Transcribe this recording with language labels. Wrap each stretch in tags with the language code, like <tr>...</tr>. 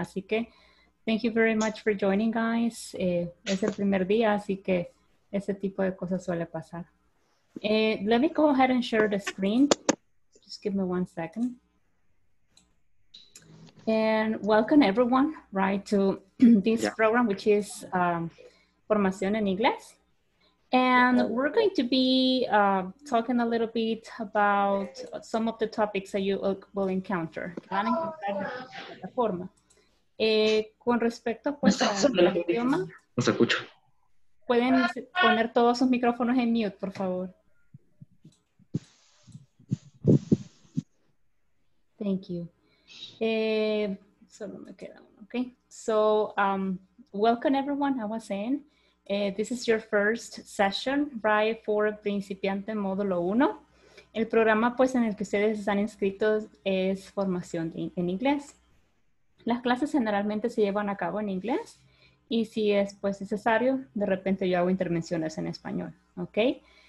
<es>Así que,</es> <en>thank you very much for joining, guys.</en> <es>Es el primer día, así que ese tipo de cosas suele pasar.</es> <en>Let me go ahead and share the screen. Just give me 1 second. And welcome everyone, right, to this program, which is Formación en Inglés. And we're going to be talking a little bit about some of the topics that you will encounter.</en> <es>Con respecto pues, al idioma, los escucho. Pueden poner todos sus micrófonos en mute, por favor.</es> <en>Thank you.</en> <es>Solo me queda uno, okay.</es> <en>So, welcome everyone. I was saying, this is your first session, right, for</en> <es>principiante módulo 1. El programa, pues, en el que ustedes están inscritos es formación en inglés. Las clases generalmente se llevan a cabo en inglés y si es, pues, necesario, de repente yo hago intervenciones en español, okay.</es>